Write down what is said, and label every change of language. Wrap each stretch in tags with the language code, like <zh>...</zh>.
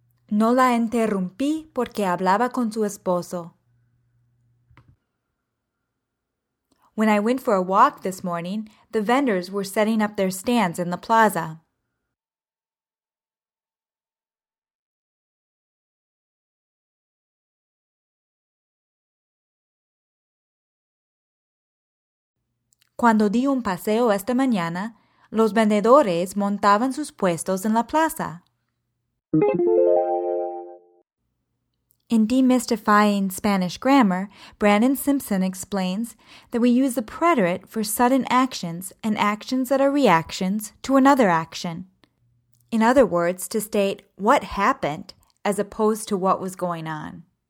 <es>No la interrumpí porque hablaba con su esposo.</es> <en>When I went for a walk this morning, the vendors were setting up their stands in the plaza.</en> <es>Cuando di un paseo esta mañana, los vendedores montaban sus puestos en la plaza.</es> <en>In Demystifying Spanish Grammar, Brandon Simpson explains that we use the preterite for sudden actions and actions that are reactions to another action. In other words, to state what happened as opposed to what was going on.</en>